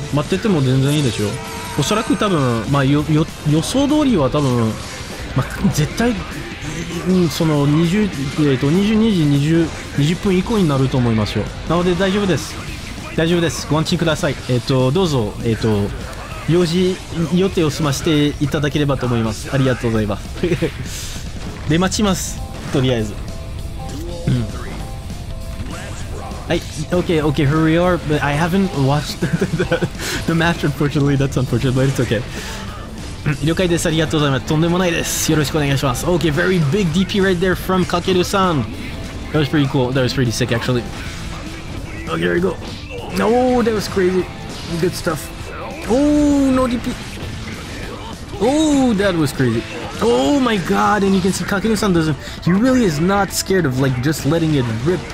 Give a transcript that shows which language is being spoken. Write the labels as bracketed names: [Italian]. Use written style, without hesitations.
[Japanese] 待ってても全然いいですよ。おそらく多分、まあ、予想通りは多分、まあ、絶対、その22時20分以降になると思いますよ。なので大丈夫です。大丈夫です。ご安心ください。どうぞ、用事、予定を済ませていただければと思います。ありがとうございます。で、待ちます。とりあえず。 [English] I, okay, here we are, but I haven't watched the match, unfortunately. That's unfortunate, but it's okay. [Japanese] 了解です。ありがとうございます。とんでもないです。よろしくお願いします。 [English] Okay, very big DP right there from Kakeru-san. That was pretty cool. That was pretty sick, actually. Okay, here we go. Oh, that was crazy. Good stuff. Oh, no DP. Oh, that was crazy. Oh my god, and you can see Kakeru-san he really is not scared of like just letting it rip.